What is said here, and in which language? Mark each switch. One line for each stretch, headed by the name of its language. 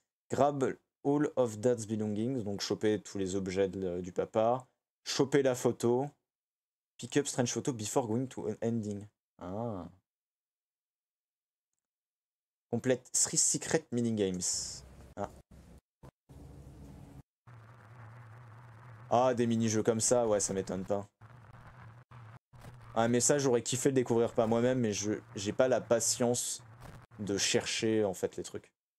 English: Grab all of dad's belongings.
French: Donc, choper tous les objets du papa. Choper la photo.
English: Pick up strange photo before going to an ending. Ah. Complète 3 secret minigames.
French: Ah. Ah, des mini-jeux comme ça, ouais, ça m'étonne pas. Ah, mais ça, j'aurais kiffé le découvrir pas moi-même, mais j'ai pas la patience de chercher, en fait, les trucs.